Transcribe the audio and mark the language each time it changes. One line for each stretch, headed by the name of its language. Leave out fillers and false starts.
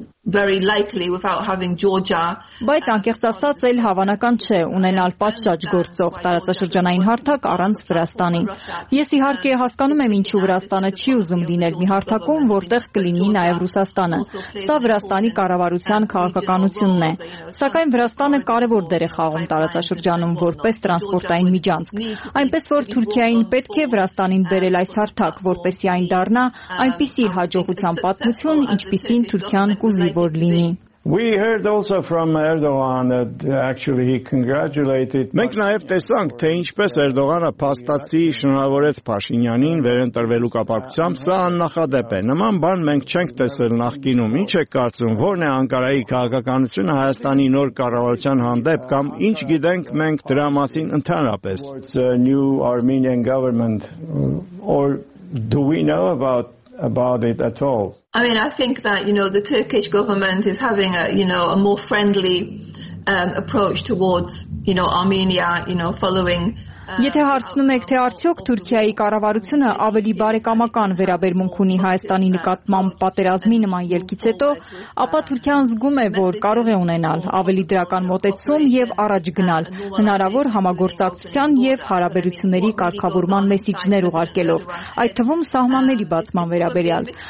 Armenian: Բայց անկեղծասած էլ հավանական չէ ունենալ պատշաճ գործող տարածաշրջանային հարթակ առանց Վրաստանի։ Ես իհարկե հասկանում եմ, ինչու Վրաստանը չի ուզում լինել մի հարթակում, որտեղ կլինի նաև Ռուսաստանը։ Սա Վրաստանի կառավարության քաղաքականությունն է, սակայն Վրաստանը կարևոր դեր է խաղում տարածաշրջանում որպես տրանսպորտային միջանցք, այնպես որ Թուրքիային պետք է Վրաստանին բերել այս հարթակ, որպեսզի այն դառնա այնպիսի հաջողության պատմություն, ինչպիսին Թուրքիան կուզի որ լինի։
English: We heard also from Erdogan that actually he congratulated.
Armenian: Մենք նաև տեսանք, թե ինչպես Էրդողանը փաստացի շնորհավորեց Փաշինյանին վերընտրվելու կապակցությամբ, սա աննախադեպ է։ Նման բան մենք չենք տեսել նախկինում։ Ինչ է կարծում, որն է Անկարայի քաղաքականությունը Հայաստանի նոր կառավարության հանդեպ, կամ ինչ գիտենք մենք դրա մասին ընդհանրապես։
English: The new Armenian government, or do we know about it at all? I mean, I think that, you know, the Turkish government is having a, you know, a more friendly approach towards, you know, Armenia, you know, following.
Armenian: Եթե հարցնում եք, թե արդյոք Թուրքիայի կառավարությունը ավելի բարեկամական վերաբերմունք ունի Հայաստանի նկատմամբ պատերազմի նման ելքից հետո, ապա Թուրքիան զգում է, որ կարող է ունենալ ավելի դրական մոտեցում եւ առաջ գնալ հնարավոր համագործակցության եւ հարաբերությունների կարգավորման մեսիջներ ուղարկելով, այդ թվում սահմանների բացման վերաբերյալ։